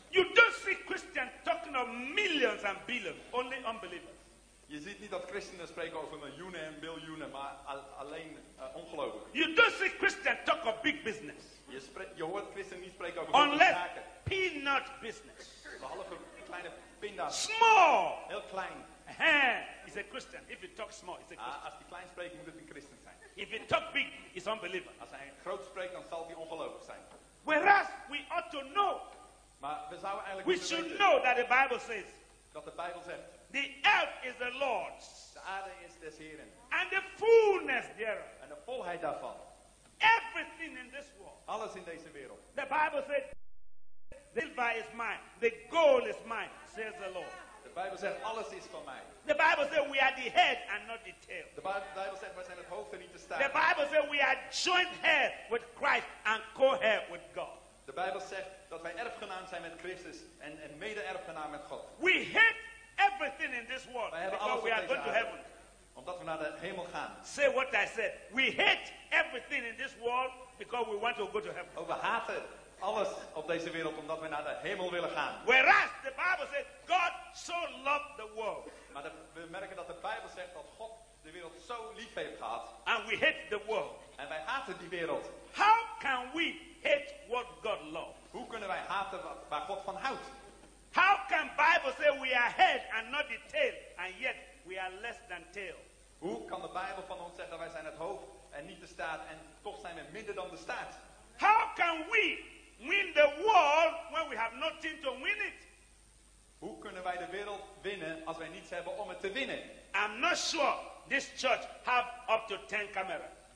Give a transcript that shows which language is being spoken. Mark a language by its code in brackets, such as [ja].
[en] You don't see Christians talking of millions and billions, only unbelievers. [nl] Je ziet niet dat christenen spreken over miljoenen en biljoenen, maar alleen ongelovigen. [en] You don't see Christians talk of big business. [nl] Je hoort christenen niet spreken over grote zaken. [en] Unless peanut business. [nl] Behalve kleine pinda's. [en] Small. [nl] Heel klein. [en] Is a Christian. If you talk small, it's a Christian. [nl] Als die klein spreekt, moet het een christen zijn. [en] If you talk big, it's unbeliever. [nl] Als hij groot spreekt, dan zal hij ongelovig zijn. [en] Whereas we ought to know. [nl] Maar we zouden eigenlijk. [en] We should know that the Bible says. [nl] Dat de Bijbel zegt. [en] The earth is the Lord's. [nl] De aarde is des Heren. [en] And the fullness thereof. [nl] En de volheid daarvan. [en] Everything in this world. [nl] Alles in deze wereld. [en] The Bible says, silver is mine. The gold is mine, says the Lord. [nl] De Bijbel zegt, alles is van mij. [en] The Bible says, we are the head and not the tail. [nl] De Bijbel zegt, wij zijn het hoofd en niet de staart. [en] The Bible says, we are joint heir with Christ and co-heir with God. [nl] De Bijbel zegt dat wij erfgenaam zijn met Christus en mede-erfgenaam met God. [en] We hate everything in this world. [nl] Wij hebben alles [en] because we are going to heaven. [nl] Omdat we naar de hemel gaan. [en] Say what I said. We hate everything in this world because we want to go to heaven. [nl] Oh, we haten alles op deze wereld omdat we naar de hemel willen gaan. [en] Whereas the Bible says God so loved the world. [nl] Maar we merken dat de Bijbel zegt dat God de wereld zo lief heeft gehad. [en] And we hate the world. [nl] En wij haten die wereld. [en] How can we hate what God loves? [nl] Hoe kunnen wij haten waar God van houdt? [en] How can Bible say we are head and not the tail and yet we are less than tail? [nl] Hoe kan de Bijbel van ons zeggen wij zijn het hoofd en niet de staart en toch zijn we minder dan de staart? [en] How can we win the world when we have nothing to win it? [nl] Hoe kunnen wij de wereld winnen als wij niets hebben om het te winnen? [en] I'm not sure this church have up to 10 cameras.